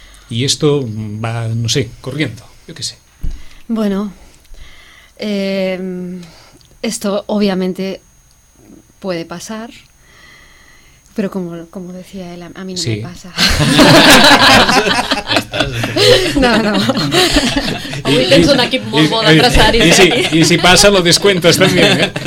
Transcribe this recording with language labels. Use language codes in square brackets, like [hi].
[es] Y esto va, no sé, corriendo, yo qué sé. Bueno, esto obviamente puede pasar, pero como decía él, a mí no me pasa. No. [ca] Avui tens un equip molt bo d'empresaris. [es] I si passa, lo descuentas también.